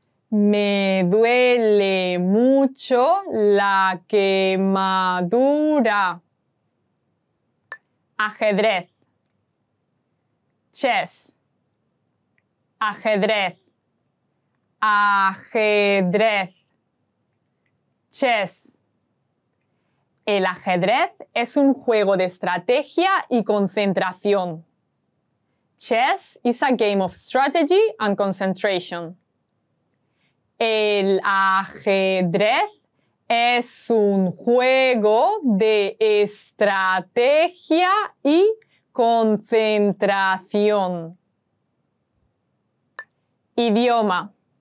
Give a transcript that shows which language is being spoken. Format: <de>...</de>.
<es>Me duele mucho la quemadura. Ajedrez. Chess. Ajedrez. Ajedrez. Chess. El ajedrez es un juego de estrategia y concentración.</es> <en>Chess is a game of strategy and concentration.</en> <es>El ajedrez es un juego de estrategia y concentración. Idioma.</es>